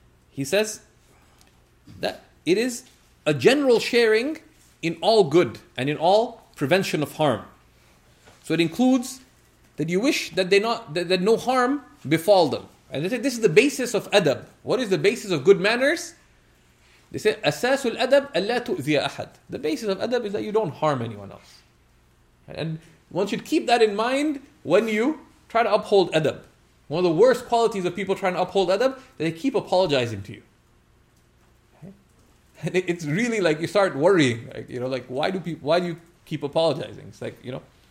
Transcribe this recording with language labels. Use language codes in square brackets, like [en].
[en] He says that it is a general sharing in all good and in all prevention of harm. So it includes that you wish that they not that no harm befall them. And they say this is the basis of adab. What is the basis of good manners? They say, [ar] أَسَاسُ الْأَدَبُ أَلَّا تُؤْذِيَ أَحَدٍ. [en] The basis of adab is that you don't harm anyone else. And one should keep that in mind when you try to uphold adab. One of the worst qualities of people trying to uphold adab, they keep apologizing to you. And it's really like you start worrying. Like, you know, like why do you keep apologizing? It's like, you know.